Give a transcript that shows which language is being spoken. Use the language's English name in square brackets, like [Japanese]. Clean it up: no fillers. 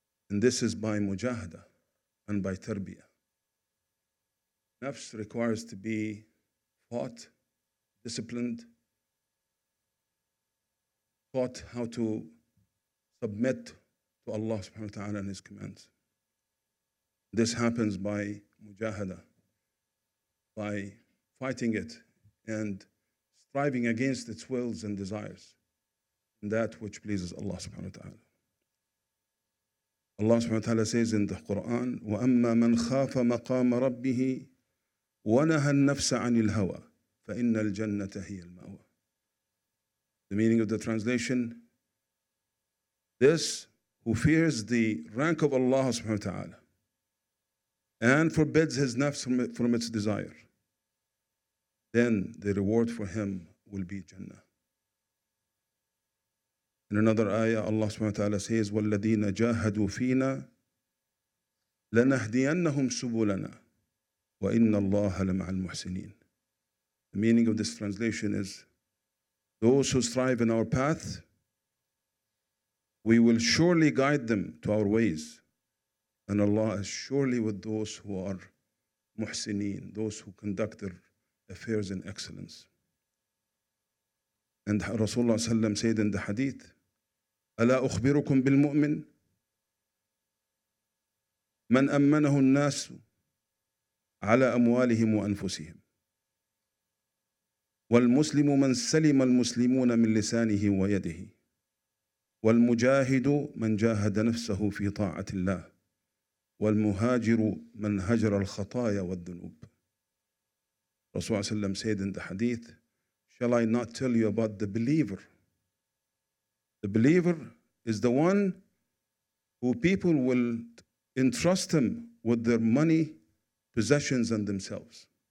[English] And this is by mujahada and by tarbiyah. Nafs requires to be fought, disciplined, taught how to submit to Allah subhanahu wa ta'ala and His commands. This happens by mujahada, by fighting it and striving against its wills and desires. That which pleases Allah subhanahu wa ta'ala. [Arabic] Allah subhanahu wa ta'ala says in the Quran, وَأَمَّا مَنْ خَافَ مَقَامَ رَبِّهِ وَنَهَى النَّفْسَ عَنِ الْهَوَى فَإِنَّ الْجَنَّةَ هِيَ الْمَأْوَى. [English] The meaning of the translation, this who fears the rank of Allah subhanahu wa ta'ala and forbids his nafs from its desire, then the reward for him will be Jannah. In another ayah, Allah subhanahu wa ta'ala says, [Arabic] وَالَّذِينَ جَاهَدُوا فِينا لَنَهْدِيَنَّهُمْ سُبُلَنَا وَإِنَّ اللَّهَ لَمَعَ الْمُحْسِنِينَ. [English] The meaning of this translation is, those who strive in our path, we will surely guide them to our ways. And Allah is surely with those who are muhsineen, those who conduct their affairs in excellence. And Rasulullah sallam said in the hadith, [Arabic] ألا أخبركم بالمؤمن من أمنه الناس على أموالهم وأنفسهم والمسلم من سلم المسلمون من لسانه ويده والمجاهد من جاهد نفسه في طاعة الله والمهاجر من هجر الخطايا والذنوب. [English] رسول صلى الله عليه وسلم said in the hadith, shall I not tell you about the believer? The believer is the one who people will entrust him with their money, possessions, and themselves.